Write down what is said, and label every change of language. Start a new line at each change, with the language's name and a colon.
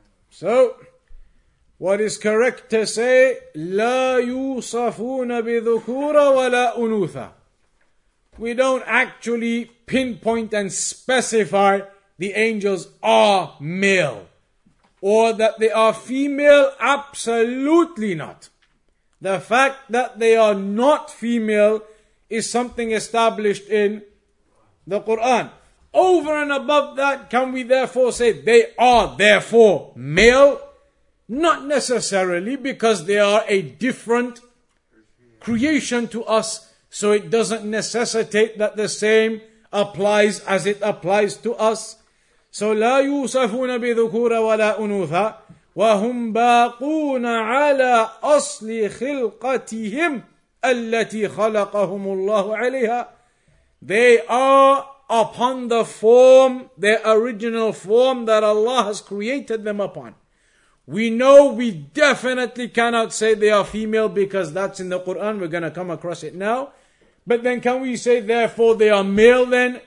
English: So, what is correct to say,
Arabic: لا يوصفون بذكورة ولا أنوثة.
English: We don't actually pinpoint and specify the angels are male, or that they are female, absolutely not. The fact that they are not female is something established in the Quran. Over and above that, can we therefore say they are therefore male? Not necessarily, because they are a different creation to us, so it doesn't necessitate that the same applies as it applies to us.
Arabic: So لا يوصفون بذكورة ولا أنوثة وهم باقون على أصل خلقتهم التي خلقهم الله عليها.
English: They are upon the form, their original form that Allah has created them upon. We know we definitely cannot say they are female because that's in the Quran. We're going to come across it now. But then can we say therefore they are male then?